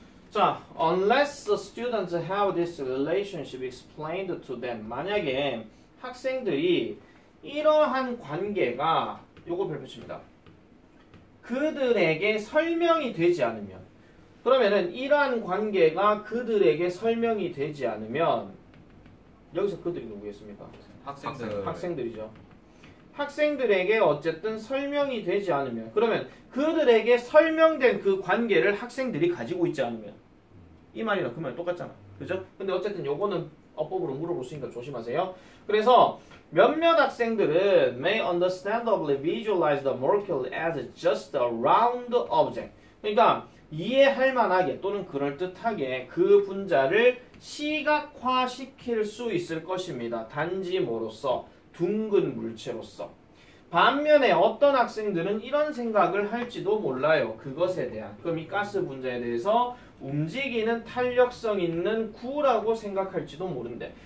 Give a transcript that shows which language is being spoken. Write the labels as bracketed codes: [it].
[en] 자, unless the students have this relationship explained to them. [ko] 만약에 학생들이 이러한 관계가 요거 별표 칩니다. 그들에게 설명이 되지 않으면 그러면은 이러한 관계가 그들에게 설명이 되지 않으면 여기서 그들이 누구겠습니까? 학생들. 학생들이죠. 학생들에게 어쨌든 설명이 되지 않으면, 그러면 그들에게 설명된 그 관계를 학생들이 가지고 있지 않으면, 이 말이나 그 말 똑같잖아. 그죠? 근데 어쨌든 요거는 어법으로 물어볼 수 있으니까 조심하세요. 그래서 몇몇 학생들은 [en] may understandably visualize the molecule as just a round object. [ko] 그러니까 이해할 만하게 또는 그럴듯하게 그 분자를 시각화시킬 수 있을 것입니다. 단지모로서, 둥근 물체로서. 반면에 어떤 학생들은 이런 생각을 할지도 몰라요. 그것에 대한, 그럼 이 가스 분자에 대해서 움직이는 탄력성 있는 구라고 생각할지도 모른데.